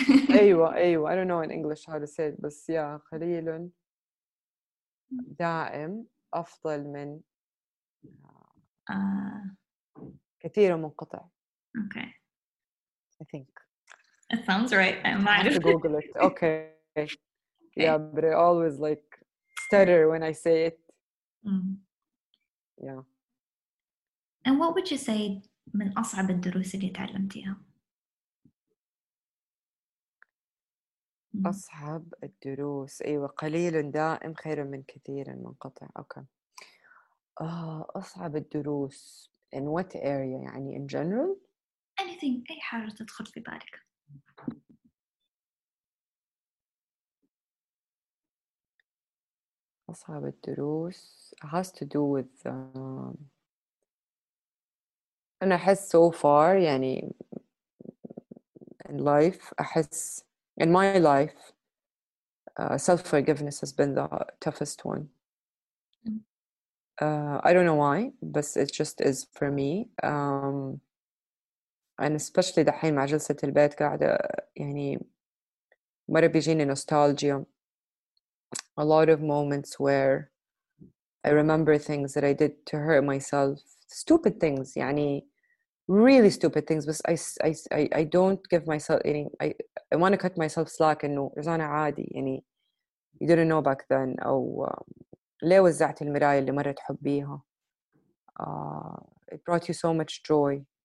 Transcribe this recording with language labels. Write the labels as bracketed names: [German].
[Arabic] أيوة. [English] I don't know in English how to say it, [Arabic] بس يا قليل دائم أفضل من كثير منقطع. [English] Okay. I think. It sounds right. I'm not. I have to Google it. Okay. Okay. Yeah, but I always like stutter when I say it. Yeah. And what would you say [Arabic] من أصعب الدروس اللي تعلمتيها؟ أصعب الدروس, أيوة, قليل دائم خير من كثير منقطع. أوكي. أصعب الدروس [English] in what area, [Arabic] يعني [English] in general [Arabic] anything, أي حاجة تدخل في بالك. أصعب الدروس [English] has to do with [Arabic] أنا أحس [English] so far, [Arabic] يعني [English] in life, [Arabic] أحس [English] in my life self-forgiveness has been the toughest one. I don't know why, but it just is for me. And especially [Arabic] دحين مع جلسة البيت قاعدة يعني مرة بيجيني nostalgia. [English] A lot of moments where I remember things that I did to hurt myself. Stupid things, [Arabic] يعني [English] really stupid things, but I don't give myself any, I want to cut myself slack and no, it's on a [Arabic] عادي, يعني [English] you didn't know back then, [Arabic] أو ليه وزعت المراية اللي مرة تحبيها, [English] it brought you so much joy,